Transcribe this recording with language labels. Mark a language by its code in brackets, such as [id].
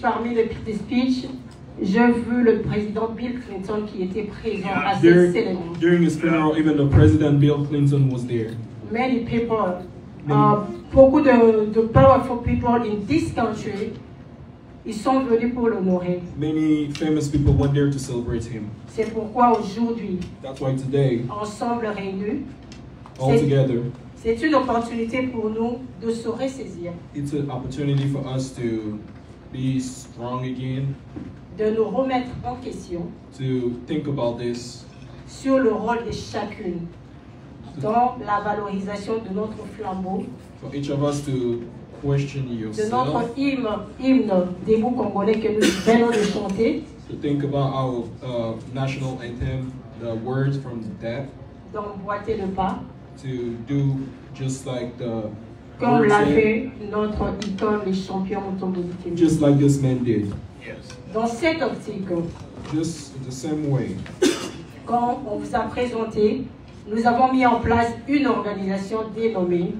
[fr] Parmi les petits speeches, je veux le président Bill Clinton qui était présent à cette cérémonie. [en] During his funeral, even the president Bill Clinton was there. Many people, [fr] beaucoup de [en] powerful people in this country, [fr] ils sont venus pour l'honorer. [en] Many famous people went there to celebrate him. [fr] C'est pourquoi aujourd'hui, [en] that's why today, [fr] ensemble réunis, [en] altogether, [fr] c'est une opportunité pour nous de se ressaisir. [en] It's an opportunity for us to be strong again. [fr] De nous remettre en question. [en] To think about this. [fr] Sur le rôle de chacune dans la valorisation de notre flambeau. [en] For each of us to question yourself. [fr] De notre hymne des mots congolais que nous venons de chanter. [en] To think about our national anthem, the words from death. [fr] D'emboîter le pas. [en] To do just like the. [fr] Comme l'a fait notre icône, le champion Mutombo Dikembe. [en] Just like this man did. Yes. [fr] Dans cette optique. [en] Just the same way. [fr] Quand on vous a présenté, nous avons mis en place une organisation dénommée.